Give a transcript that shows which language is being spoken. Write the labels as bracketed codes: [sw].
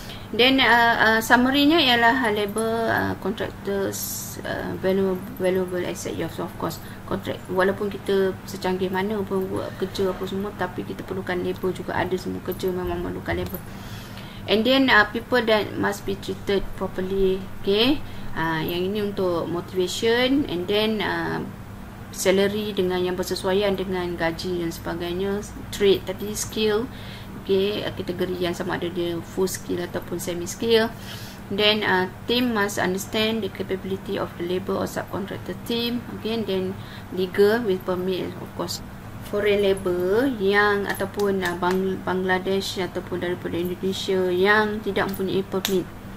[en] Then summary-nya ialah labor, contractors, valuable asset, yes, of course. [ms] Contract, walaupun kita secanggih mana pun kerja apa semua, tapi kita perlukan labor juga. Ada semua kerja memang memerlukan labor. [en] And then people that must be treated properly. [ms] Okay, yang ini untuk motivation. [en] And then salary [ms] dengan yang bersesuaian dengan gaji dan sebagainya. Trade tadi, skill, okay, kategori yang sama ada dia full skill ataupun semi skill. [en] Then team must understand the capability of the labor or subcontractor team. Again, then legal with permit, of course. [ms] Foreign labor yang ataupun Bangladesh ataupun daripada Indonesia yang tidak mempunyai permit.